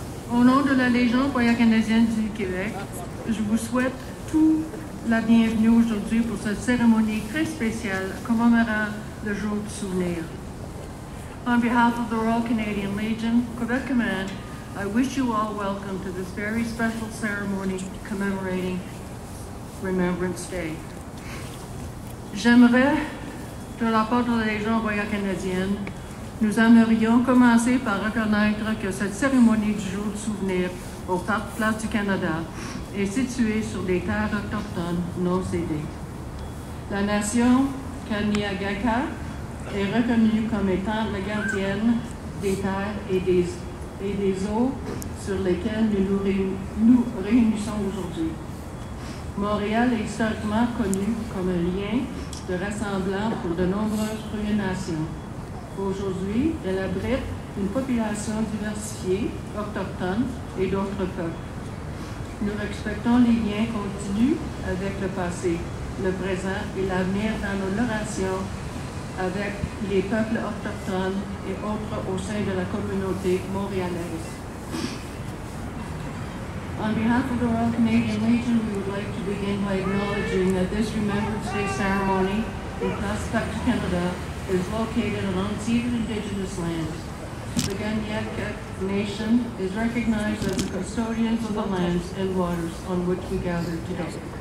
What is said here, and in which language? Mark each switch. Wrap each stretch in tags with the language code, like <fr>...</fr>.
<fr>Au nom de la Légion royale canadienne du Québec, je vous souhaite tout la bienvenue aujourd'hui pour cette cérémonie très spéciale commémorant le jour du souvenir.</fr> <en>On behalf of the Royal Canadian Legion, Quebec Command, I wish you all welcome to this very special ceremony commemorating Remembrance Day.</en> <fr>J'aimerais, de la part de la Légion royale canadienne, nous aimerions commencer par reconnaître que cette cérémonie du jour du souvenir au Parc Place du Canada est située sur des terres autochtones non cédées. La nation Kanyagaka est reconnue comme étant la gardienne des terres et des eaux sur lesquelles nous réunissons aujourd'hui. Montréal est historiquement connu comme un lien de rassemblant pour de nombreuses pré-nations. Aujourd'hui, elle abrite une population diversifiée, autochtone et d'autres peuples. Nous respectons les liens continus avec le passé, le présent et l'avenir dans nos relations avec les peuples autochtones et autres au sein de la communauté montréalaise.</fr> <en>On behalf of the Royal Canadian Legion, we would like to begin by acknowledging that this Remembrance Day ceremony in Place Parc Canada is located on unceded Indigenous lands. The Kanyagakat Nation is recognized as the custodians of the lands and waters on which we gather today.</en>